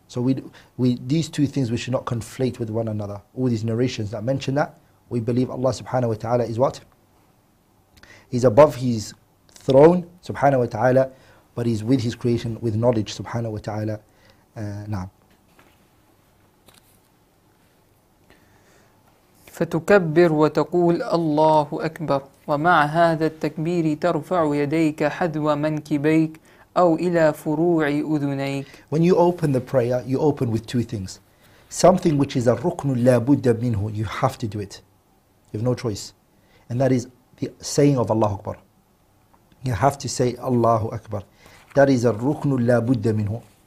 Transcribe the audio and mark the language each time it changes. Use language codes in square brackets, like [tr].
[en] So we these two things we should not conflate with one another. All these narrations that mention that, we believe Allah subhanahu wa ta'ala is what? He's above his throne, subhanahu wa ta'ala, but he's with his creation, with knowledge, subhanahu wa ta'ala. [ar] Na'am. فتكبر وتقول الله أكبر ومع هذا التكبير ترفع يديك حذو منكبيك أو إلى فروع أذنيك. [en] When you open the prayer, you open with two things. Something which is a ركن لا بد منه, you have to do it. You have no choice. And that is the saying of Allah Akbar. You have to say Allahu Akbar. That is a ركن لا بد منه.